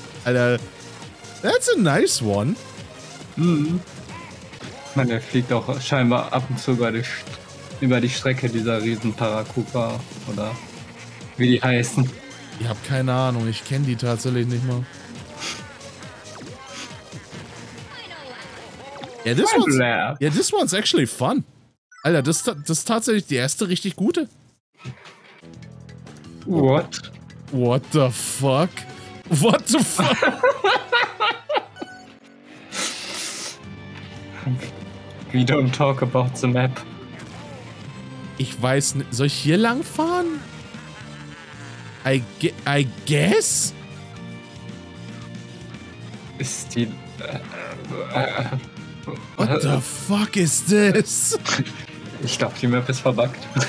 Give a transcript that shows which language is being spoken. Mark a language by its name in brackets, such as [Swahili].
[English] Alter, that's a nice one. [German] Man, der fliegt auch scheinbar ab und zu über die Strecke dieser riesen Paracoupa oder wie die heißen. Ich hab keine Ahnung, ich kenne die tatsächlich nicht mal. [English] Yeah, this one's actually fun. [German] Alter, das ist tatsächlich die erste richtig gute. [English] What? What the fuck? What the fuck? We don't talk about the map. [German] Ich weiß nicht, soll ich hier lang fahren? [English] I guess? [German] Ist die... [English] What the fuck is this? [German] Ich glaube, die Map ist verbuggt.